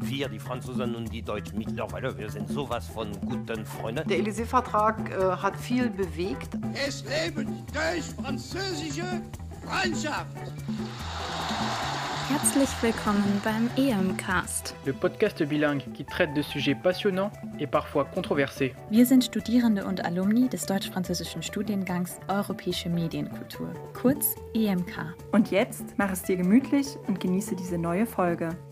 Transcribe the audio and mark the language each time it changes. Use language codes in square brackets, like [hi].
[de] Wir, die Franzosen und die Deutschen, mittlerweile, wir sind sowas von guten Freunden. Der Élysée-Vertrag hat viel bewegt. Es lebe die deutsch-französische Freundschaft. Herzlich willkommen beim EMCast, [fr] le podcast bilingue qui traite de sujets passionnants et parfois controversés. [de] Wir sind Studierende und Alumni des deutsch-französischen Studiengangs Europäische Medienkultur, kurz EMK. Und jetzt mach es dir gemütlich und genieße diese neue Folge.